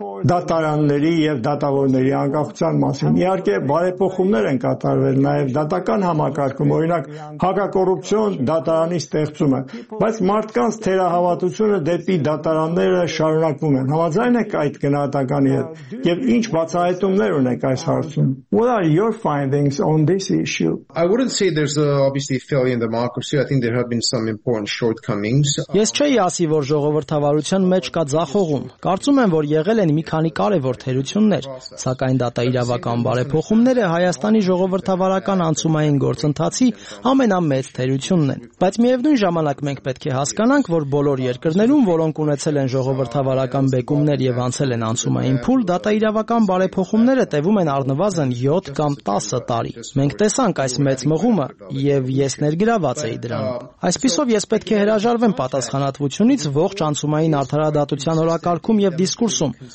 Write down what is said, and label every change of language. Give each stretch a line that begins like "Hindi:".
Armenian: դատարանների և դատավորների անկախության մասին։ Իհարկե, բարեփոխումներ են կատարվել նաև դատական համակարգում, օրինակ հակակոռուպցիոն դատարանի ստեղծումը, բայց մարդկանց թերահավատությունը դեպի դատարանները շարունակվում են։ Համաձայն եք այդ գնահատականի հետ, և ինչ բացահայտումներ ունեք այս հարցում?
English: What are your findings on this issue? I wouldn't say there's obviously a failure in democracy. I think there have been some important shortcomings.
Armenian: Ես չէի ասի, որ ժողովրդավարության մեջ կա ձախողում։ Կարծում եմ, որ եղել են մի քանի կարևոր թերություններ, սակայն դատաիրավական բարեփոխումները Հայաստանի ժողովրդավարական անցումային գործընթացի ամենամեծ թերությունն են։ Բայց միևնույն ժամանակ մենք պետք է հասկանանք, որ բոլոր երկրներում, որոնք ունեցել են ժողովրդավարական բեկումներ և անցել են անցումային փուլ, դատաիրավական բարեփոխումները տևում են առնվազն 7 կամ 10 տարի։ Մենք տեսանք այս մեծ մղումը, և ես ներգրաված էի դրանում։ Այսպիսով ես պետք է հրաժարվեմ պատասխանատվությունից ողջ անցումային արդարադատության օրակարգում և դիսկուրսում,